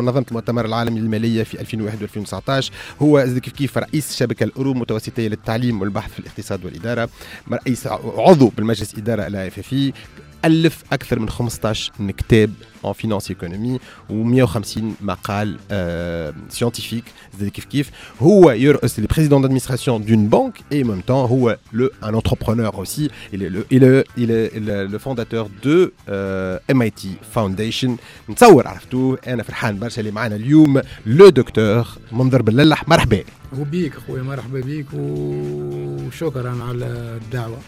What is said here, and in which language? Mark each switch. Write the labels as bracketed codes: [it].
[ar] المؤتمر العالمي للماليه في 2001 و2019، هو كيف رئيس شبكه الاورو متوسطيه للتعليم والبحث في الاقتصاد والاداره، رئيس عضو بالمجلس الاداره لا اف اف اي، ألف أكثر من 15 كتاب [fr] en finance et économie [ar] و 150 مقال scientifique زي كيف كيف. هو يرأس [fr] le président d'administration d'une banque et en même temps هو le un entrepreneur aussi. Il est le fondateur de MIT Foundation. [ar] نتصور عرفتو أنا فرحان برشا اللي معنا اليوم le docteur منذر بلالح. مرحبا وبيك اخويا، مرحبا بيك وشكرا على الدعوه.